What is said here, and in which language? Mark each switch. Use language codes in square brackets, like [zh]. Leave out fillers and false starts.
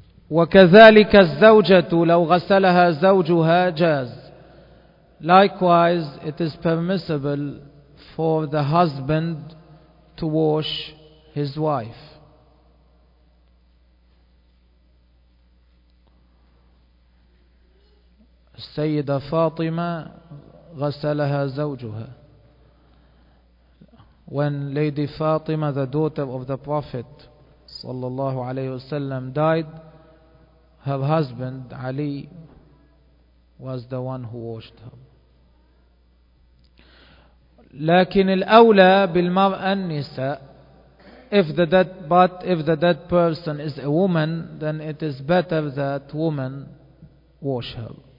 [ar] وكذلك الزوجة لو غسلها زوجها جاز. [en] Likewise, it is permissible for the husband to wash his wife. [ar] السيدة فاطمة غسلها زوجها. [en] When Lady Fatima, the daughter of the Prophet [ar] صلى الله عليه وسلم, [en] died, her husband Ali was the one who washed her. [ar] لكن الأولى بالمرأة النساء. [en] If the dead person is a woman, then it is better that woman wash her.